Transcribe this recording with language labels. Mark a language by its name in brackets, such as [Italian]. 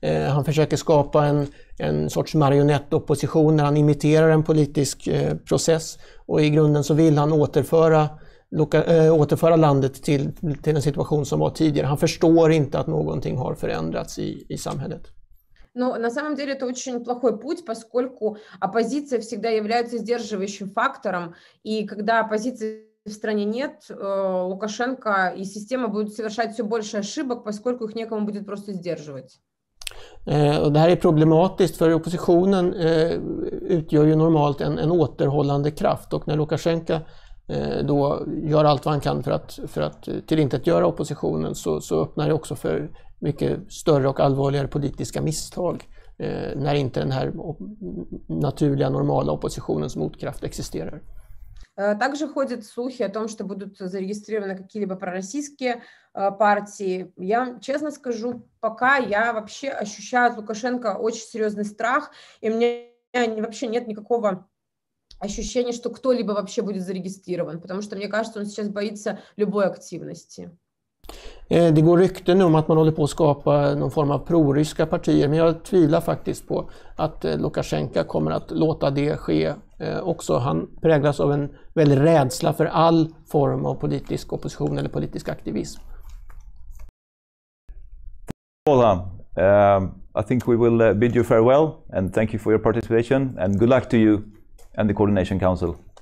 [Swedish] Han försöker skapa en sorts marionettopposition när han imiterar en politisk process, och i grunden så vill han återföra landet till en situation som var tidigare. Han förstår inte att någonting har förändrats i samhället. [Russian] Но на самом деле это очень плохой путь, поскольку оппозиция всегда является сдерживающим фактором, и когда оппозиции в стране нет, Лукашенко и система будут совершать все больше ошибок, поскольку их некому будет просто сдерживать. [Swedish] Och det här är problematiskt, för oppositionen utgör ju normalt en återhållande kraft, och när Lukashenko då gör allt vad han kan för att tillintetgöra oppositionen, så öppnar det också för mycket större och allvarligare politiska misstag när inte den här naturliga normala oppositionens motkraft existerar. [Russian] Также ходят слухи о том, что будут зарегистрированы какие-либо пророссийские партии. Я честно скажу, пока я вообще ощущаю от Лукашенко очень серьезный страх, и у меня вообще нет никакого ощущения, что кто-либо вообще будет зарегистрирован, потому что мне кажется, он сейчас боится любой активности. [Swedish] Det går rykten nu om att man håller på att skapa någon form av proryska partier, men jag tvivlar faktiskt på att Lukashenko kommer att låta det ske också. Han präglas av en väldig rädsla för all form av politisk opposition eller politisk aktivism. [English] Paula, I think we will bid you farewell and thank you for your participation and good luck to you and the Coordination Council.